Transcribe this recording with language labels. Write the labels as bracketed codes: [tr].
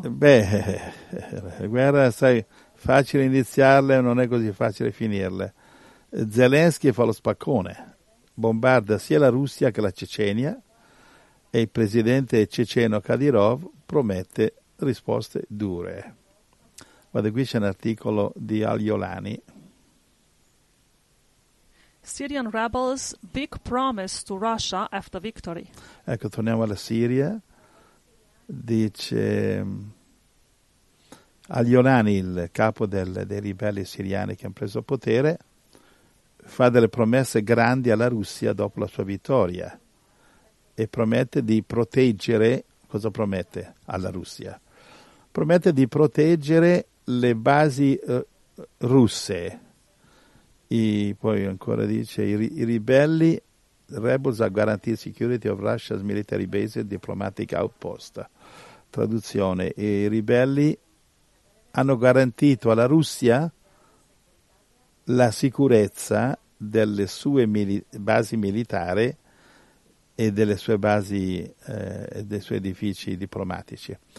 [it] Beh, la guerra, sai, facile iniziarla, non è così facile finirla. Zelensky fa lo spaccone, bombarda sia la Russia che la Cecenia e il presidente ceceno Kadyrov promette risposte dure. Guarda, qui c'è un articolo di Al-Yolani. [en] Syrian rebels, big promise to Russia after victory. [it] Ecco, torniamo alla Siria. Dice Al-Yolani, il capo dei ribelli siriani che hanno preso potere, fa delle promesse grandi alla Russia dopo la sua vittoria e promette di proteggere, cosa promette alla Russia? Promette di proteggere le basi russe. [en] E poi ancora dice, i ribelli, rebels are guarantee security of Russia's military base and diplomatic outpost. [it] Traduzione, e i ribelli hanno garantito alla Russia la sicurezza delle sue basi militari e delle sue basi, dei suoi edifici diplomatici.